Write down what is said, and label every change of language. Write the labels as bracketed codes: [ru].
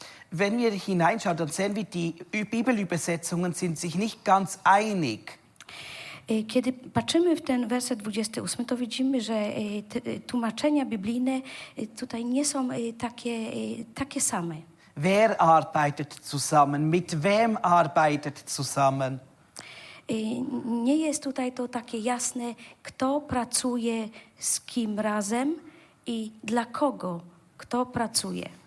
[de] Wenn wir hineinschauen, dann sehen wir, die Bibelübersetzungen sind sich nicht ganz einig. [pl] Kiedy patrzymy w ten werset 28, to widzimy, że tłumaczenia biblijne tutaj nie są takie same. [de] Wer arbeitet zusammen? Mit wem arbeitet zusammen? [pl] Nie jest tutaj to takie jasne, kto pracuje z kim razem i dla kogo kto pracuje.